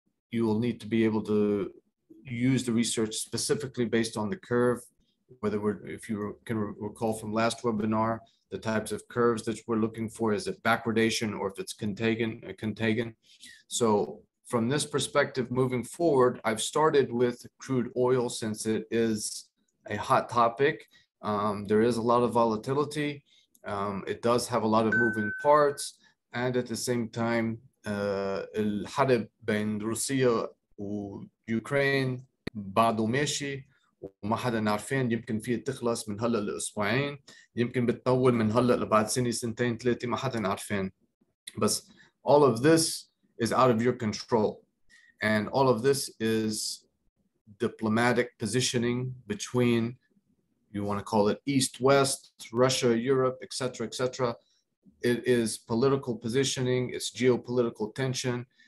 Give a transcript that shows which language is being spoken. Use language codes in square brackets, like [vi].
[en] You will need to be able to use the research specifically based on the curve, whether we're, if you can recall from last webinar, the types of curves that we're looking for, is it backwardation or if it's contagion. So from this perspective, moving forward, I've started with crude oil since it is a hot topic. There is a lot of volatility. It does have a lot of moving parts. And at the same time, [ar] الحرب بين روسيا وUkraine بعده ماشي وما حدا نعرفين يمكن فيه تخلص من هلأ لأسبوعين يمكن بتطول من هلأ لبعد سنة سنتين ثلاثة ما حدا نعرفين. [en] But all of this is out of your control. And all of this is diplomatic positioning between, you want to call it East, West, Russia, Europe, et cetera, et cetera. It is political positioning, it's geopolitical tension.